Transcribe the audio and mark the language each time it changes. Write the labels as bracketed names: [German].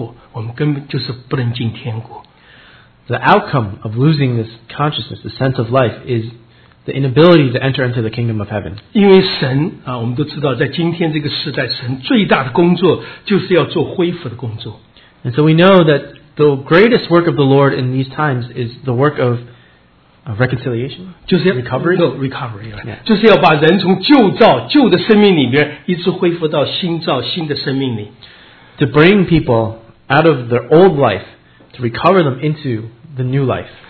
[Chinese] 失去生命感觉的后果，我们根本就是不能进天国。 [English] The outcome of losing this consciousness, the sense of life, is the inability to enter into the kingdom of heaven. [Chinese] 因为神，我们都知道，在今天这个时代，神最大的工作就是要做恢复的工作。 [English] And so we know that the greatest work of the Lord in these times is the work of reconciliation, recovery. No, recovery, right? Yeah. [Chinese] 就是要把人从旧造旧的生命里边，一直恢复到新造新的生命里。 [English] To bring people out of their old life, to recover them into the new life.